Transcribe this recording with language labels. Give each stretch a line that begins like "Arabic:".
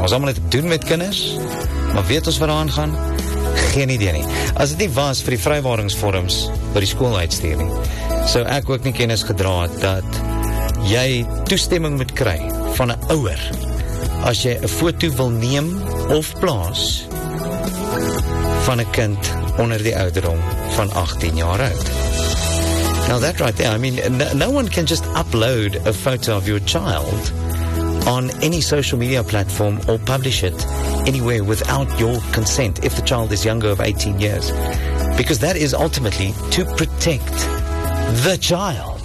Afrikaans: Ons allemaal het doen met kinders, maar weet ons waar aangaan? Geen idee nie. As het nie was vir die vrywaringsvorms wat die school uitstuur nie, sou ek ook nie kennis gedra het dat jy toestemming moet kry van 'n ouer as jy 'n foto wil neem of plaas van 'n kind onder die ouderdom van 18 jaar oud.
English: Now that right there, I mean, no one can just upload a photo of your child on any social media platform or publish it anywhere without your consent if the child is younger of 18 years. Because that is ultimately to protect the child.